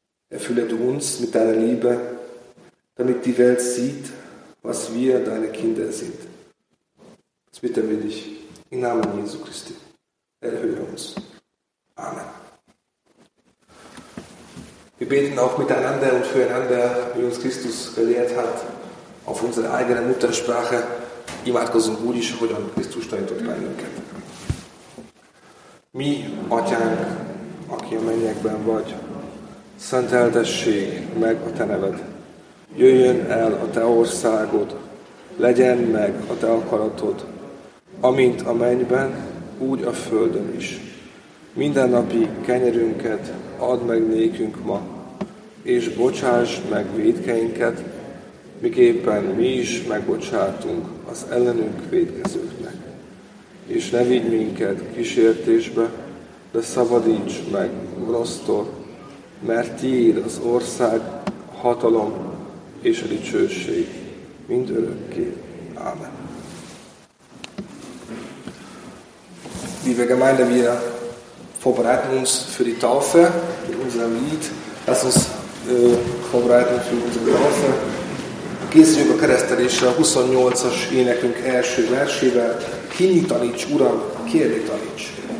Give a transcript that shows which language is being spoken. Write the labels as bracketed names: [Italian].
[German] Erfülle du uns mit deiner Liebe, damit die Welt sieht, was wir deine Kinder sind. Das bitten wir dich im Namen Jesu Christi. Erhöre uns. Amen. Wir beten auch miteinander und füreinander, wie uns Christus gelehrt hat, auf unsere eigene Muttersprache. [Hungarian] Imádkozzunk úgy is, ahogyan Krisztus tanított bennünket. Mi, Atyánk, aki a mennyekben vagy, szenteltessék meg a te neved. Jöjjön el a te országod, legyen meg a te akaratod, amint a mennyben, úgy a földön is. Mindennapi kenyerünket add meg nékünk ma, és bocsásd meg vétkeinket, miképpen mi is megbocsátunk az ellenünk vétkezőknek. És ne vigy minket kísértésbe, de szabadíts meg gonosztól, mert tiéd az ország, a hatalom és a dicsőség mindörökké. Amen. [German] Liebe Gemeinde, wir vorbereiten uns für die Taufe, für unser Lied. Lass uns vorbereiten für unsere Taufe. [Hungarian] Készüljük a keresztelésre a 28-as énekünk első versével. Kinyitaníts, Uram, kérnyitaníts!